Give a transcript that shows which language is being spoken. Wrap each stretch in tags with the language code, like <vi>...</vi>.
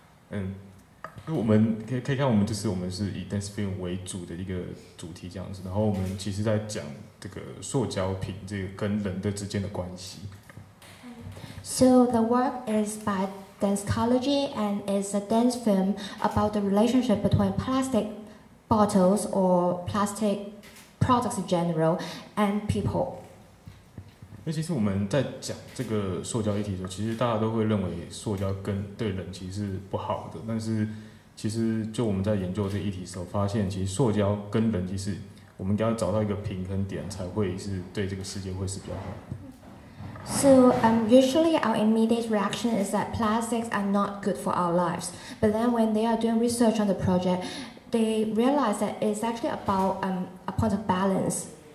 <en>And</en> <zh>我们可以看我们就是以 dance film 为主的一个主题这样子，然后我们其实在讲这个塑胶瓶这个跟人的之间的关系。</zh> <en>So the work is by Dancecology and is a dance film about the relationship between plastic bottles or plastic products in general and people.</en> <zh>那其实我们在讲这个塑胶议题的时候，其实大家都会认为塑胶跟对人其实是不好的，但是 其实就我们在研究这个议题的时候，发现其实塑胶跟人其实我们应该要找到一个平衡点，才会是对这个世界会是比较好。</zh> <en>So usually our immediate reaction is that plastics are not good for our lives. But then when they are doing research on the project, they realize that it's actually about a point of balance.</en>